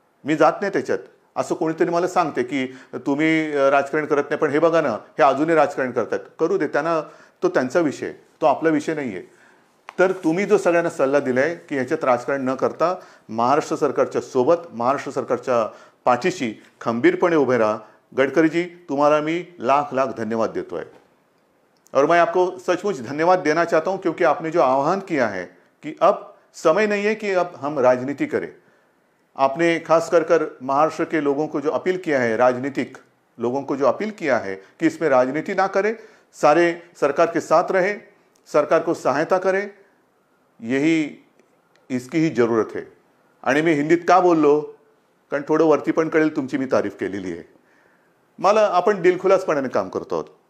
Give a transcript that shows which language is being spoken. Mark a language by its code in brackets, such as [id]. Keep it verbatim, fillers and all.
[mr] मी जात नाही त्याच्यात, असं कोणीतरी मला सांगते की तुम्ही राजकारण करत नाही, पण हे बघा ना, हे अजूनही राजकारण करतात. करू दे त्यांना, तो त्यांचा विषय, तो आपला विषय नाही आहे. तर तुम्ही जो सगळ्यांना सल्ला दिला आहे की ह्याच्यात राजकारण न करता महाराष्ट्र सरकारच्या सोबत, महाराष्ट्र सरकारच्या पाठीशी खंबीरपणे उभे राहा. [hi] गडकरीजी, तुम्हारा मैं लाख लाख धन्यवाद देता है, और मैं आपको सचमुच धन्यवाद देना चाहता हूं क्योंकि आपने जो आह्वान किया है कि अब समय नहीं है कि अब हम राजनीति करें. आपने खास कर कर महाराष्ट्र के लोगों को जो अपील किया है, राजनीतिक लोगों को जो अपील किया है कि इसमें राजनीति ना करें, सारे सरकार के साथ रहे, सरकार को सहायता करें, यही इसकी ही जरूरत है. [mr] आणि मी हिंदीत का बोललो, कारण थोडं वरती पण कळेल, तुमची मी तारीफ केलेली आहे. मला आपण दिलखुलासपणाने काम करतो आहोत.